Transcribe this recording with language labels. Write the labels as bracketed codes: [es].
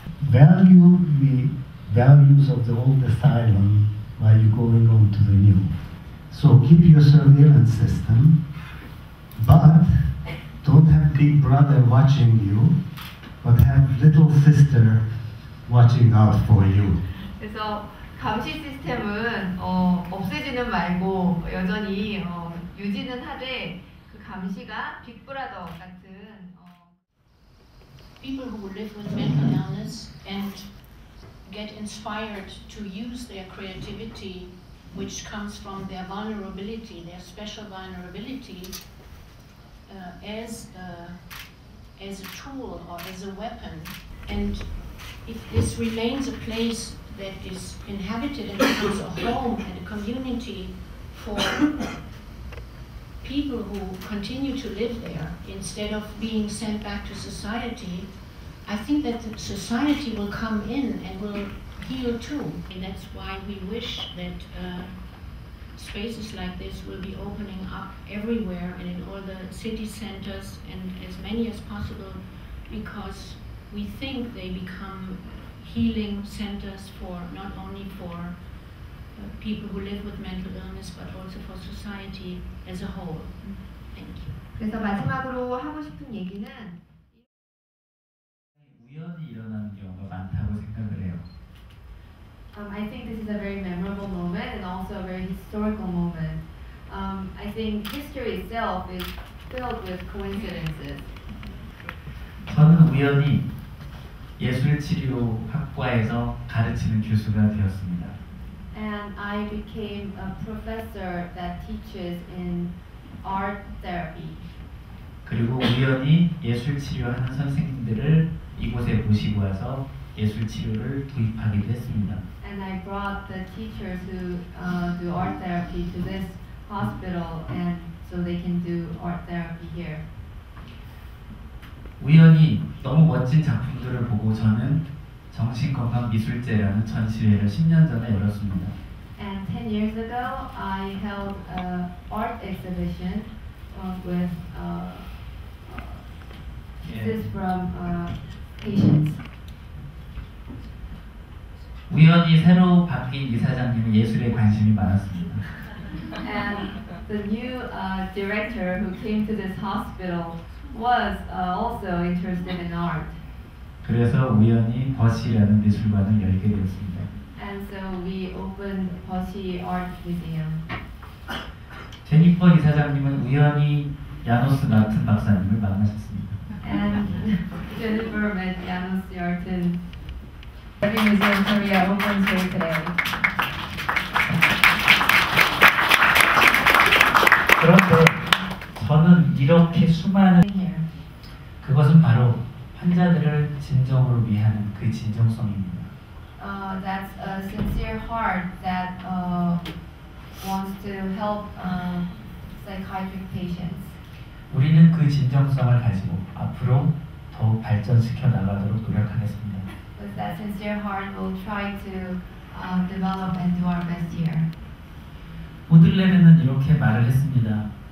[en] Value the values of the old asylum while you're going on to the new. So keep your surveillance system, but don't have big brother watching you, but have little sister watching out for you. [ko] 감시 시스템은 없애지는 말고 여전히 유지는 하되 그 감시가 빅브라더 같은 [en] People who live with mental illness and get inspired to use their creativity which comes from their vulnerability, their special vulnerability as a tool or as a weapon. And if this remains a place that is inhabited and becomes a home and a community for people who continue to live there instead of being sent back to society, I think that the society will come in and will heal too. And that's why we wish that spaces like this will be opening up everywhere and in all the city centers and as many as possible, because we think they become healing centers for not only for people who live with mental illness but also for society as a whole. Thank you. [ko] 그래서 마지막으로 하고 싶은 얘기는 우연히 일어난 경우가 많다고 생각을 해요. [en] I think this is a very memorable moment and also a very historical moment. I think history itself is filled with coincidences. [ko] 저는 우연히 예술치료 학과에서 가르치는 교수가 되었습니다. [en] And I became a professor that teaches in art therapy. [ko] 그리고 우연히 예술치료하는 선생님들을 이곳에 모시고 와서 예술치료를 도입하기도 했습니다. [en] And I brought the teachers who do art therapy to this hospital and so they can do art therapy here. [ko] 우연히 너무 멋진 작품들을 보고 저는 정신건강미술제라는 전시회를 10년 전에 열었습니다. [en] And 10 years ago, I held an art exhibition with pieces from patients. [ko] 우연히 새로 바뀐 이사장님은 예술에 관심이 많았습니다. [en] And the new director who came to this hospital was also interested in art. [ko] 그래서 우연히 버시라는 미술관을 열게 되었습니다. [en] And so we opened Boshi Art Museum. [ko] 제니퍼 이사장님은 우연히 야노스 마튼 박사님을 만나셨습니다. [en] And Jennifer met Janos Yartin. Every museum in Korea opens here today. [ko] 그런데 저는 이렇게 수많은 그것은 바로 환자들을 진정으로 위한 그 진정성입니다. [en] That's a sincere heart that wants to help psychiatric patients. [ko] 우리는 그 진정성을 가지고 앞으로 더욱 발전시켜 나가도록 노력하겠습니다. [en] With that sincere heart, we'll try to develop and do our best here. [ko] 보들레르는 이렇게 말을 했습니다.